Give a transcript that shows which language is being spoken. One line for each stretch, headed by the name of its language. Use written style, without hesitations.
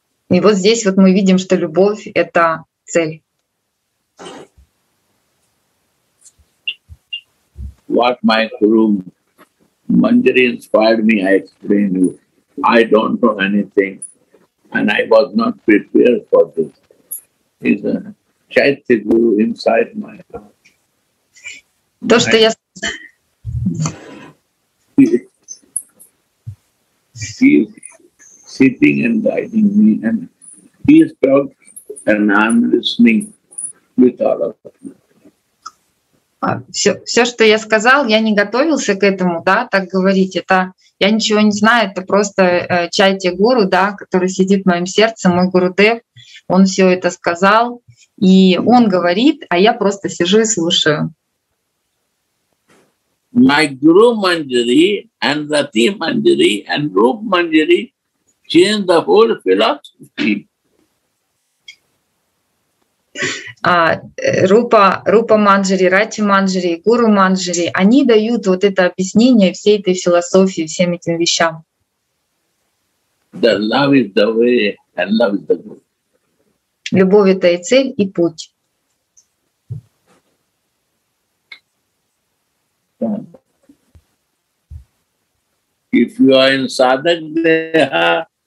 Russian: И вот здесь вот мы видим, что любовь — это цель.
English: What my guru Manjari inspired me, I explained to you. I don't know anything. And I was not prepared for this. He's a Chaitya Guru inside my heart.
Russian: То, что я...
English: He is sitting and guiding me, and he is talking, and I'm listening with all of them.
Russian: Все, что я сказал, я не готовился к этому, да, так говорить. Это я ничего не знаю, это просто Чайтья Гуру, да, который сидит в моем сердце, мой Гурудев, он все это сказал, и он говорит, а я просто сижу и слушаю.
English: My Guru Manjari and Rati Manjari and Rupa Manjari change the whole philosophy.
Russian: Рупа Манджари, Рати Манджари, Гуру Манджари, они дают вот это объяснение всей этой философии, всем этим вещам.
English: The love is the way and love is the goal.
Russian: Любовь — это и цель, и путь.
English: If you are in Sadhak Deha,